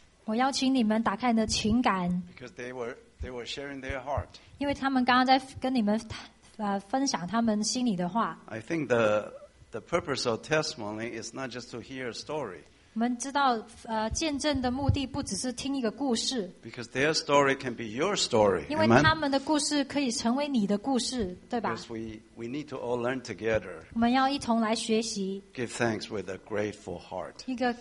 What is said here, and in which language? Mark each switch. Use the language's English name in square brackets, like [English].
[Chinese] 我邀请你们打开你的情感。 [English] Because they were sharing their heart. [Chinese] 因为他们刚刚在跟你们分享他们心里的话。 [English] I think the purpose of testimony is not just to hear a story. [Chinese] 我们知道见证的目的不只是听一个故事。 [English] Because their story can be your story. [Chinese] 因为他们的故事可以成为你的故事，对吧？ [English] Because we need to all learn together. [Chinese] 我们要一同来学习。 [English] Give thanks with a grateful heart.